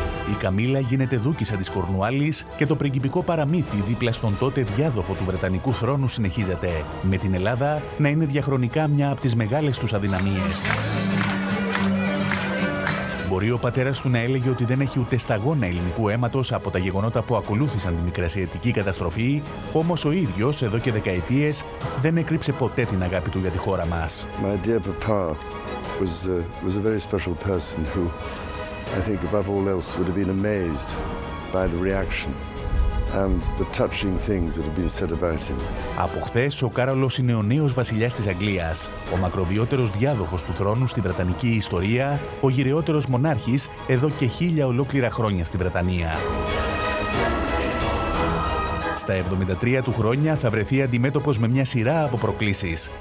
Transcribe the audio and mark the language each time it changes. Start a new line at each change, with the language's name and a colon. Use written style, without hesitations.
Greek: Η Καμίλα γίνεται δούκισσα της Κορνουάλης και το πριγκιπικό παραμύθι δίπλα στον τότε διάδοχο του Βρετανικού θρόνου συνεχίζεται, με την Ελλάδα να είναι διαχρονικά μια από τις μεγάλες τους αδυναμίες. Μπορεί ο πατέρας του να έλεγε ότι δεν έχει ούτε σταγόνα ελληνικού αίματος από τα γεγονότα που ακολούθησαν τη μικρασιατική καταστροφή, όμως ο ίδιος εδώ και δεκαετίες δεν έκρυψε ποτέ την αγάπη του για τη χώρα μας.
English: My dear papa was a very special person who... I think above all else would have been amazed by the reaction and the touching things that have been said about him.
Greek: Από χθες, ο Κάρολος είναι ο νέος βασιλιάς της Αγγλίας, ο μακροβιότερος διάδοχος του θρόνου στη Βρετανική ιστορία, ο γυραιότερος μονάρχης εδώ και 1000 ολόκληρα χρόνια στη Βρετανία. Στα 73 του χρόνια θα βρεθεί αντιμέτωπος με μια σειρά από προκλήσεις.